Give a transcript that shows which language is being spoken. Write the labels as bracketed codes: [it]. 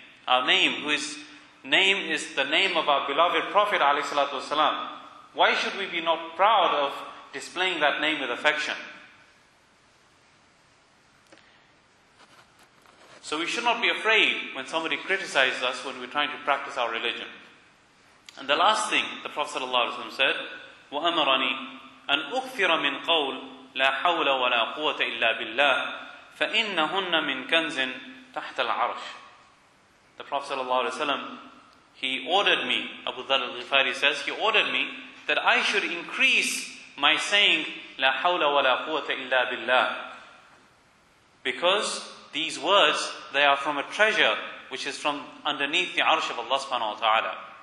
[en] Our name, whose name is the name of our beloved Prophet alayhi salatu wasalam. Why should we be not proud of displaying that name with affection? So we should not be afraid when somebody criticizes us when we're trying to practice our religion. And the last thing the Prophet ﷺ said, [ar] وَأَمَرَنِي أَنْ أُكْفِرَ مِنْ قَوْلٍ لَا حَوْلَ وَلَا قُوَّةَ إِلَّا بِاللَّهِ فَإِنَّهُنَّ مِنْ كَنْزٍ تَحْتَ الْعَرْشِ. [en] The Prophet ﷺ, he ordered me, Abu Dharr al-Ghifari says, he ordered me that I should increase my saying, [ar] لَا حَوْلَ وَلَا قُوَّةَ إِلَّا بِاللَّهِ. [en] Because these words, they are from a treasure which is from underneath the arsh of Allah subhanahu wa ta'ala.